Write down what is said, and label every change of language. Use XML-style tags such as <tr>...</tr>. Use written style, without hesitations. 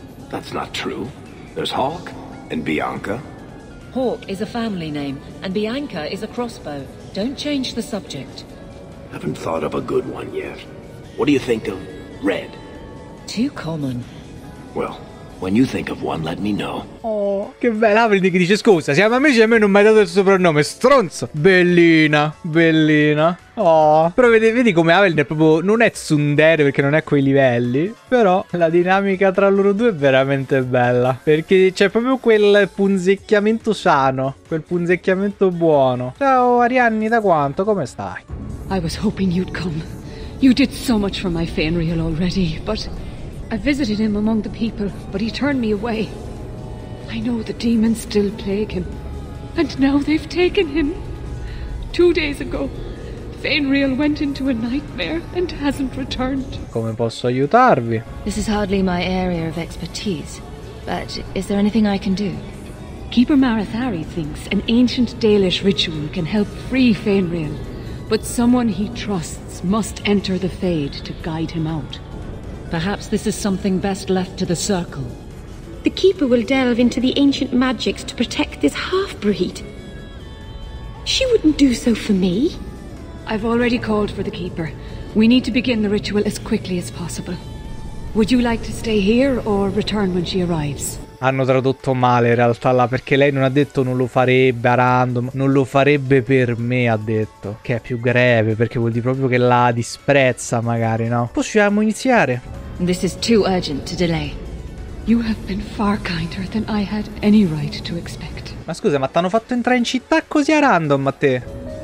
<en>That's not true. There's Hawk and Bianca. Hawk is a family name, and Bianca is a crossbow. Don't change the subject. Haven't thought of a good one yet. What do you think of Red? Too common. Well, when you think of one, let me know.</en> <it>Oh, che bella, vedi che dice scusa. Siamo amici e a me non mi hai dato il soprannome, stronzo. Bellina, bellina. Oh, però vedi come Avelyn è proprio, non è tsundere perché non è a quei livelli, però la dinamica tra loro due è veramente bella, perché c'è proprio quel punzecchiamento sano, quel punzecchiamento buono. Ciao Arianni, da quanto, come stai?</it> <en>I was hoping you'd come. You did so much for my Fenrir already, but I visited him among the people, but he turned me away. I know the demons still plague him, and now they've taken him. 2 days ago Fenrir went into a nightmare and hasn't returned.</en> <it>Come posso aiutarvi?</it> <en>This is hardly my area of expertise, but is there anything I can do? Keeper Marathari thinks an ancient Dalish ritual can help free Faenriel, but someone he trusts must enter the Fade to guide him out. Perhaps this is something best left to the Circle. The Keeper will delve into the ancient magics to protect this half-breed. She wouldn't do so for me. I've already called for the Keeper. We need to begin the ritual as quickly as possible. Would you like to stay here or return when she arrives?</en> <it>Hanno tradotto male in realtà là, perché lei non ha detto non lo farebbe a random, non lo farebbe per me, ha detto. Che è più greve, perché vuol dire proprio che la disprezza magari, no? Possiamo iniziare?</it> <en>This is too urgent to delay. You have been far kinder than I had any right to expect.</en> <it>Ma scusa, ma t'hanno fatto entrare in città così a random a te?</it>